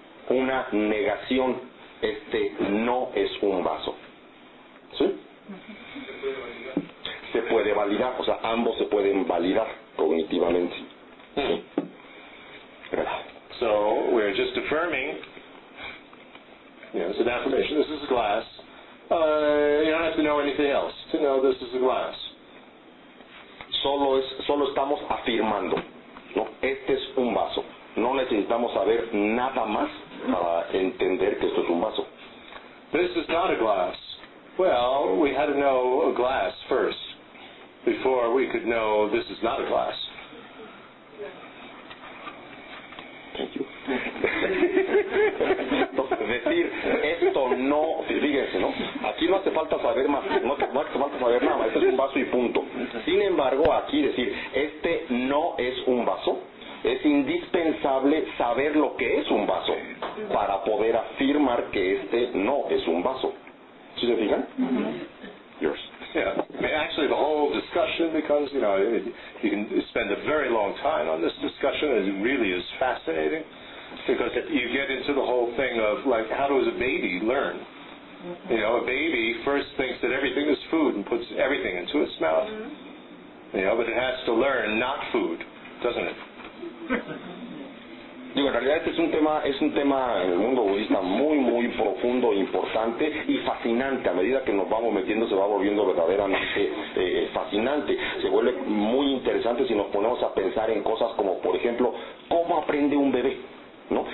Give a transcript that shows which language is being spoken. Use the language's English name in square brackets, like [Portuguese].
[Spanish] Una negación, este no es un vaso. ¿Sí? Se puede validar, o sea, ambos se pueden validar cognitivamente. [English] So we're just affirming, it's an affirmation, this is a glass. You don't have to know anything else to know this is a glass. [Spanish] Solo estamos afirmando, ¿no? Este es un vaso. No necesitamos saber nada más para entender que esto es un vaso. [English] This is not a glass. Well, we had to know a glass first before we could know this is not a glass. Thank you. [Spanish] Entonces, decir esto no, fíjense, ¿no? Aquí no hace falta saber más, no hace falta saber nada, esto es un vaso y punto. Sin embargo, aquí decir este no es un vaso, es indispensable saber lo que es un vaso para poder afirmar que este no es un vaso. ¿Sí se fijan? Mm-hmm. [English] Yours. Yeah. Actually, the whole discussion becomes, you know, you can spend a very long time on this discussion. It really is fascinating because you get into the whole thing of, like, how does a baby learn? You know, a baby first thinks that everything is food and puts everything into its mouth. Mm-hmm. You know, but it has to learn not food, doesn't it? [Spanish] Digo, en realidad este es un tema en el mundo budista muy, muy profundo, importante y fascinante. A medida que nos vamos metiendo se va volviendo verdaderamente fascinante. Se vuelve muy interesante si nos ponemos a pensar en cosas como, por ejemplo, ¿cómo aprende un bebé? ¿No?